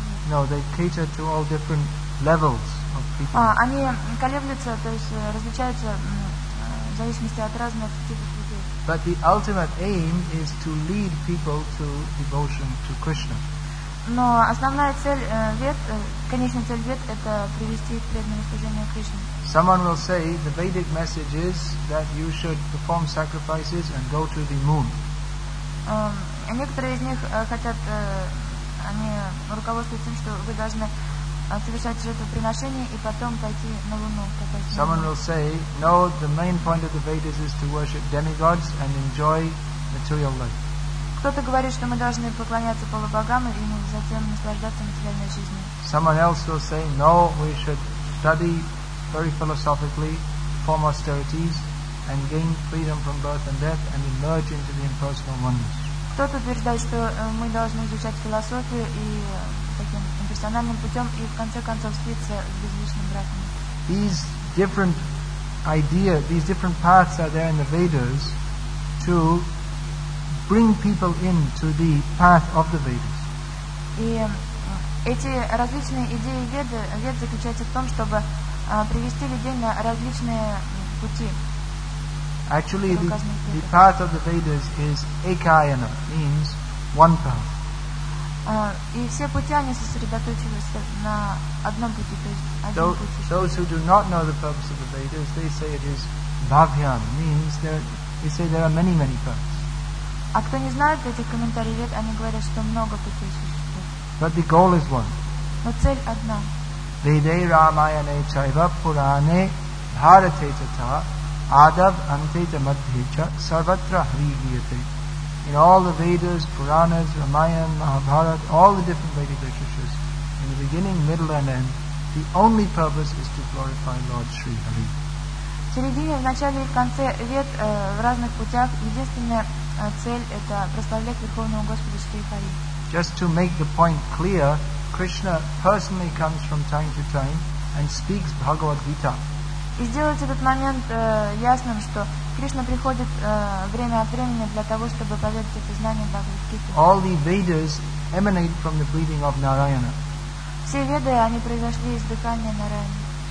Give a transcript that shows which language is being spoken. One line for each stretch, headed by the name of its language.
English: No, they cater to all different levels of people.
Russian: Они колеблются, то есть различаются в зависимости от разных типов людей.
English: But the ultimate aim is to lead people to devotion to Krishna.
Russian: Но основная цель Вед, конечная цель Вед, это привести к преданному служению Кришне.
English: Someone will say the Vedic message is that you should perform sacrifices and go to the moon.
Russian: Некоторые из них хотят они руководствуются тем, что вы должны совершать жертвоприношение и потом пойти на Луну.
English: Someone will say, no, the main point of the Vedas is to worship demigods and enjoy material life.
Russian: Кто-то говорит, что мы должны поклоняться полубогам и затем наслаждаться материальной жизнью.
English: Someone else will say, no, we should study very philosophically, form austerities and gain freedom from birth and death and emerge into the impersonal oneness.
Russian: Кто-то утверждает, что мы должны изучать философию и таким имперсональным путем и в конце концов слиться с безличным братом.
English: These different ideas, these different paths are there in the Vedas to bring people into the path of the Vedas.
Russian: И эти различные идеи Вед заключаются в том, чтобы привести людей на различные пути.
English: Actually, the path of the Vedas is Ekayana, means one path.
Russian: И все пути, они сосредоточились на одном пути, то есть один пути.
English: Those who do not know the purpose of the Vedas, they say it is Bhavyan, means they say there are many, many paths.
Russian: А кто не знает этих комментариев Вед, они говорят, что много путей существует.
English: But the goal is one.
Russian: Но цель одна.
Sanskrit: Веде Рамаяне Чайва Пуране Бхарате Чата Адав Антета Мадхича Сарватра Хригиете.
English: In all the Vedas, Puranas, Рамаяна, Mahabharata, all the different Vedic literatures, in the beginning, middle and end, the only purpose is to glorify Lord Shri Hari.
Russian: В середине, в начале и в конце вет, в разных путях, единственная цель – это прославлять Верховного Господа Шри Хари.
English: Just to make the point clear, Krishna personally comes from time to time and speaks Bhagavad-gita.
Russian: И сделать этот момент ясным, что Кришна приходит время от времени для того, чтобы поведать это знание Бхагавад-гита.
English: All the Vedas emanate from the breathing of Narayana.
Russian: Все веды, они произошли из дыхания Нараяны.